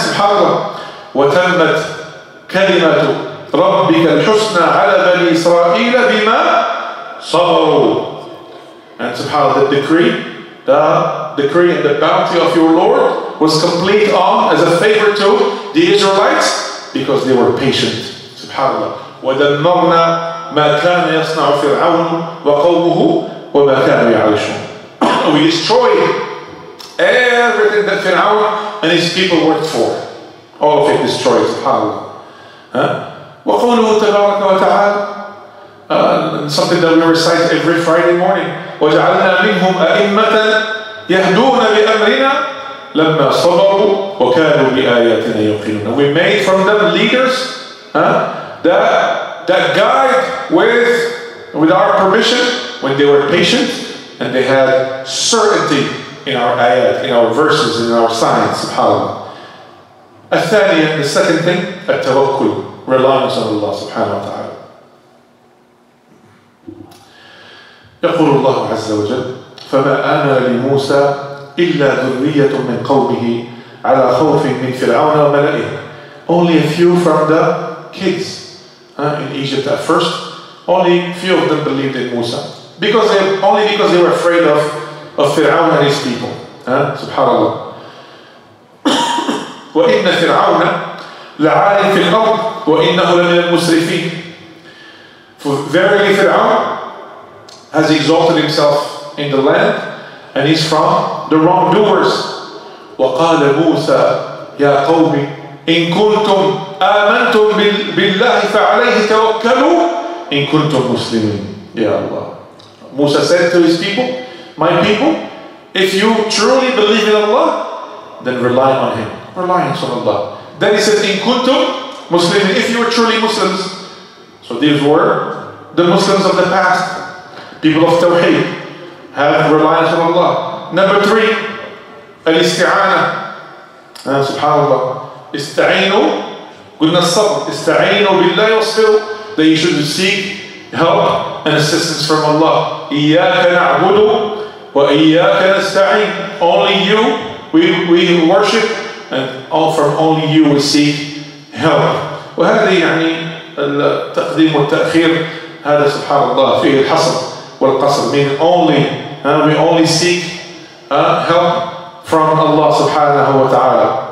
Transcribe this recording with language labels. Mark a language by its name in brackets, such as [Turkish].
[Arabic] سبحانه وتمت كلمة ربك الحسنى على بني إسرائيل بما صبروا. [English] And سبحانه the decree, the decree and the bounty of your Lord was complete on as a favor to the Israelites because they were patient. [Arabic] Subhanallah. وَدَمَّرْنَا مَا كَانَ يَصْنَعُ فِرْعَوْنُ وَقَوْمُهُ وَمَا كَانَ يَعْرِشُونَ. [English] We destroyed everything that Fir'aun and his people worked for. All of it destroyed. Subhanallah. [Arabic] وَقَوْلُهُ تَبَارَكَ وَتَعَالَ. [English] Something that we recite every Friday morning. [Arabic] وَجَعَلْنَا مِنْهُمْ أَئِمَّةً يَهْدُونَ بِأَمْرِنَا لَمَّا صَبَرُوا وَكَانُوا بِآيَاتِنَا يُوقِنُونَ. [English] We made from them leaders that guide with our permission when they were patient and they had certainty in our ayat, in our verses, in our signs. SubhanAllah. الثانية, the second thing, التوكل, reliance on Allah subhanahu wa ta'ala. [Arabic] يقول الله عز وجل فما آمن لموسى إلا ذرية من قومه على خوف من فرعون وملئه. [English] Only a few from the kids in Egypt at first, only few of them believed in Musa because they, only because they were afraid of فرعون and his people. [Arabic] سبحان الله. وإن فرعون لعال في الأرض وإنه لمن المسرفين. [English] For verily فرعون has exalted himself in the land, and he's from the wrongdoers. [Arabic] وَقَالَ مُوسَى يَا قَوْمِ إِن كُنْتُمْ آمَنْتُمْ بِاللَّهِ فَعَلَيْهِ تَوَكَّلُوا إِن كُنْتُمْ مُسْلِمِينَ. Ya Allah. [English] Musa said to his people, my people, if you truly believe in Allah, then rely on Him. Reliance on Allah. Then he says, [Arabic] إِن كُنْتُمْ مُسْلِمِينَ, [English] if you are truly Muslims. So these were the Muslims of the past. People of Tawheed have reliance on Allah. Number three, al-isti'ana. Subhanallah. [Arabic] Ista'inu, قلنا الصبر. Ista'inu billahi wasbiru. [English] That you should seek help and assistance from Allah. [Arabic] إِيَّاكَ نَعْبُدُ وَإِيَّاكَ نَسْتَعِينُ. [English] Only you we worship, and all from only you we seek help. [Arabic] وهذه يعني التقديم والتأخير, هذا سبحانallah فيه الحصر. [English] والقصر mean only, we only seek help from Allah subhanahu wa ta'ala.